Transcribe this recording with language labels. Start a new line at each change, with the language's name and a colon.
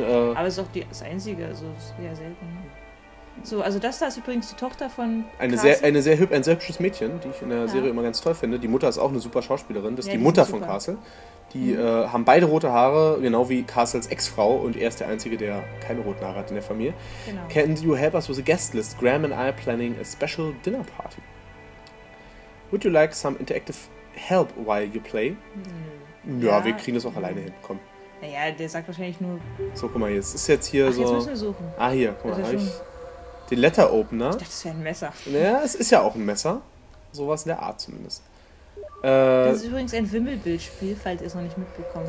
German: Aber es ist auch das Einzige, also sehr selten. So, also das da ist übrigens die Tochter von Ein sehr hübsches Mädchen, die ich in der Serie immer ganz toll finde. Die Mutter ist auch eine super Schauspielerin. Das ist die Mutter von Castle. Die haben beide rote Haare, genau wie Castles Ex-Frau. Und er ist der Einzige, der keine roten Haare hat in der Familie. Genau.
English: Can you help us with a guest list? Graham and I are planning a special dinner party. Would you like some interactive help while you play?
German: Nö. Ja, wir kriegen das auch alleine hin, komm. Naja, der sagt wahrscheinlich nur... So, guck mal, jetzt ist jetzt hier Ach, so... Ach, jetzt müssen wir suchen. Ah, hier, guck mal, habe ich den Letter Opener. Ich dachte, das wäre ein Messer. Naja, es ist ja auch ein Messer. Sowas in der Art zumindest. Das ist übrigens ein Wimmelbildspiel, falls ihr es noch nicht mitbekommen